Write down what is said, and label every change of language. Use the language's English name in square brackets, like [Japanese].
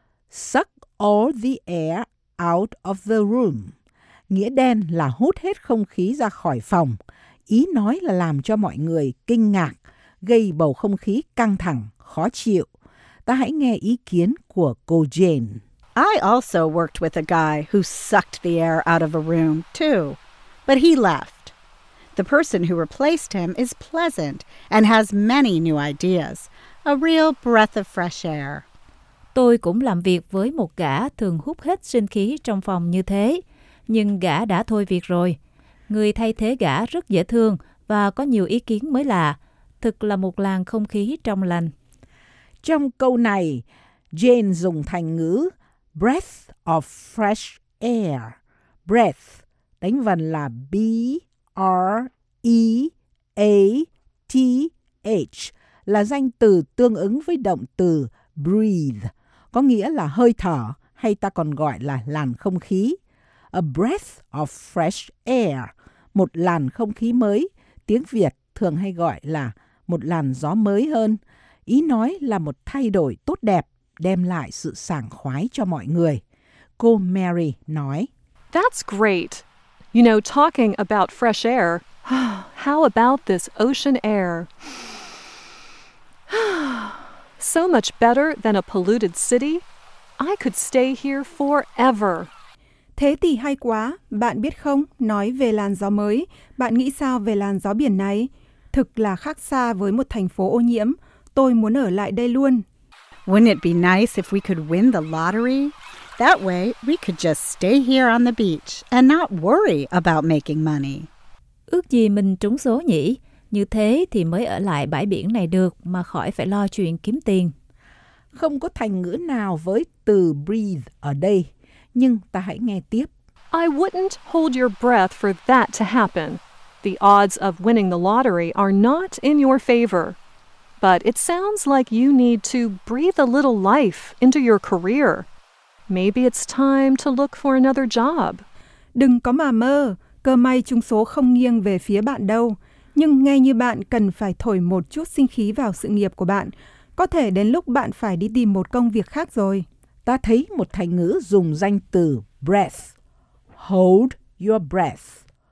[English] Suck all the air out of the room. [Vietnamese] Nghĩa đen là hút hết không khí ra khỏi phòng. Ý nói là làm cho mọi người kinh ngạc, gây bầu không khí căng thẳng, khó chịu. Ta hãy nghe ý kiến của cô Jane. [English] I also worked with a guy who sucked the air out of a room, too. But he left. The person who replaced him is pleasant and has many new ideas. A real breath of fresh air. [Vietnamese] Tôi cũng làm việc với một gã thường hút hết sinh khí trong phòng như thế. Nhưng gã đã thôi việc rồi. Người thay thế gã rất dễ thương và có nhiều ý kiến mới lạ. Thực là một làn không khí trong lành. Trong câu này, Jane dùng thành ngữ breath of fresh air. Breath, đánh vần là B-R-E-A-T-H, là danh từ tương ứng với động từ breathe, có nghĩa là hơi thở hay ta còn gọi là làn không khí. [English] A breath of fresh air, [Vietnamese] một làn không khí mới, tiếng Việt thường hay gọi là một làn gió mới hơn. Ý nói là một thay đổi tốt đẹp, đem lại sự sảng khoái cho mọi người. Cô Mary nói, [English] That's great. You know, talking about fresh air, how about this ocean air? So much better than a polluted city. I could stay here forever. [Vietnamese] Thế thì hay quá, bạn biết không, nói về làn gió mới, bạn nghĩ sao về làn gió biển này? Thực là khác xa với một thành phố ô nhiễm, tôi muốn ở lại đây luôn. [English] Wouldn't it be nice if we could win the lottery? That way, we could just stay here on the beach and not worry about making money. [Vietnamese] Ước gì mình trúng số nhỉ? Như thế thì mới ở lại bãi biển này được mà khỏi phải lo chuyện kiếm tiền. Không có thành ngữ nào với từ breathe ở đây. Nhưng ta hãy nghe tiếp. [English] I wouldn't hold your breath for that to happen. The odds of winning the lottery are not in your favor. But it sounds like you need to breathe a little life into your career. Maybe it's time to look for another job. [Vietnamese] Đừng có mà mơ, cơ may trúng số không nghiêng về phía bạn đâu. Nhưng nghe như bạn cần phải thổi một chút sinh khí vào sự nghiệp của bạn. Có thể đến lúc bạn phải đi tìm một công việc khác rồi. Ta thấy một thành ngữ dùng danh từ breath. [English] Hold your breath.